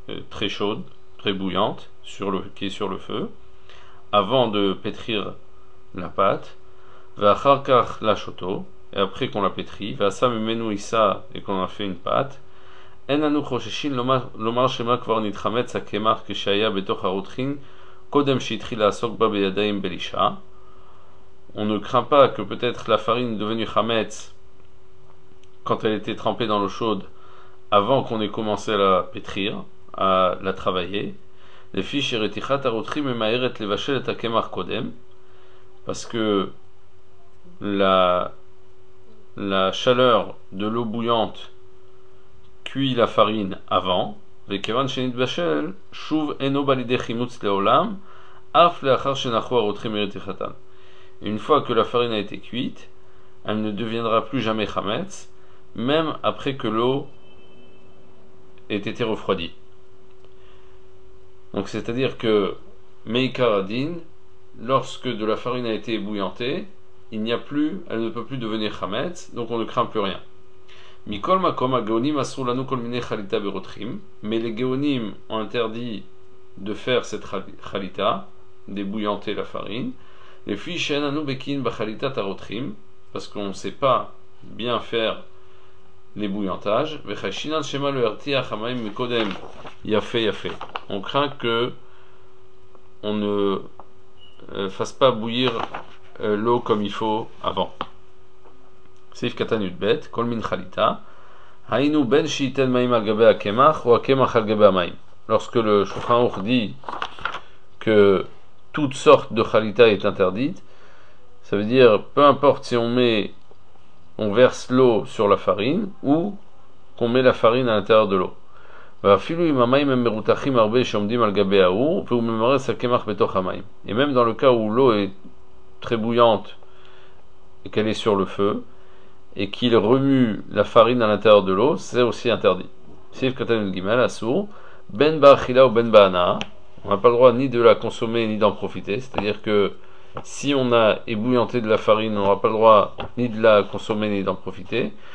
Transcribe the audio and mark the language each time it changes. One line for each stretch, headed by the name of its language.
French: très chaude, très bouillante, qui est sur le feu, avant de pétrir la pâte, va harkar la choto, et après qu'on la pétrit, va samemenouissa et qu'on a fait une pâte.
Hebrew: אין אנו חוששים לומר שמה כבר נתחמץ הקמח כשהיה בתוך הרותחין קודם שהתחיל לעסוק בה בידיים בלישה.
French: On ne craint pas que peut-être la farine est devenue חמץ quand elle était trempée dans l'eau chaude avant qu'on ait commencé à la pétrir, à la travailler.
Hebrew: לפי שרתיחת הרותחין ממהרת לבשל את הקמח קודם,
French: parce que la chaleur de l'eau bouillante cuit la farine avant,
Hebrew: וכיוון שנתבשל, שוב אינו בא לידי חימוץ לעולם, אף לאחר שנחו הרותחים מרתיחתם.
French: Une fois que la farine a été cuite, elle ne deviendra plus jamais חמץ, même après que l'eau ait été refroidie. Donc c'est-à-dire que,
Hebrew: מעיקר הדין,
French: lorsque de la farine a été ébouillantée, il n'y a plus, elle ne peut plus devenir חמץ, donc on ne craint plus rien.
Hebrew: מכל מקום הגאונים אסרו לנו כל מיני חליטה ברותחים
French: mais les gaonim ont interdit de faire cette חליטה d'ébouillanter la farine
Hebrew: לפי שאין לנו בקין בחליטת הרותחים
French: parce qu'on ne sait pas bien faire l'ébouillantage
Hebrew: וחשינן שמה לא הרתיח המים מקודם יפה יפה
French: on craint que on ne fasse pas bouillir l'eau comme il faut avant
Hebrew: סעיף קטן י"ב, כל מין חליטה, היינו בין שייתן מים על גבי הקמח או הקמח על גבי המים.
French: Lorsque le Shulchan Aruch dit que toute sorte de חליטה est interdite, ça veut dire peu importe si on verse l'eau sur la farine ou qu'on met la farine à l'intérieur de l'eau.
Hebrew: ואפילו אם המים הם מרותחים הרבה שעומדים על גבי האור, והוא ממרס הקמח בתוך המים.
French: Et même dans le cas où l'eau est très bouillante et qu'elle est sur le feu, et qu'il remue la farine à l'intérieur de l'eau, c'est aussi interdit.
Hebrew: Sif katan gimel asur ben ba'achila ou ben ba'ana,
French: on n'a pas le droit ni de la consommer ni d'en profiter, c'est-à-dire que si on a ébouillanté de la farine, on n'aura pas le droit ni de la consommer ni d'en profiter.